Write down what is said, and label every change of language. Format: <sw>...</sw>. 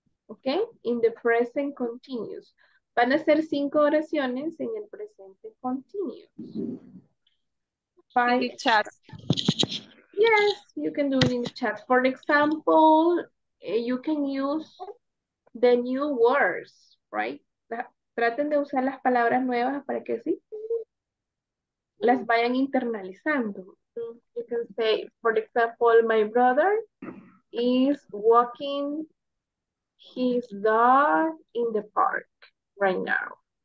<es>Okay?</es> <en>In the present continuous.</en> <es>Van a ser cinco oraciones en el presente continuous.</es> <en>Five. In the chat. Yes, you can do it in the chat. For example, you can use the new words, right?</en> <es>Traten de usar las palabras nuevas para que sí las vayan internalizando.</es> <en>You can say, for example, my brother is walking his dog in the park right now.</en>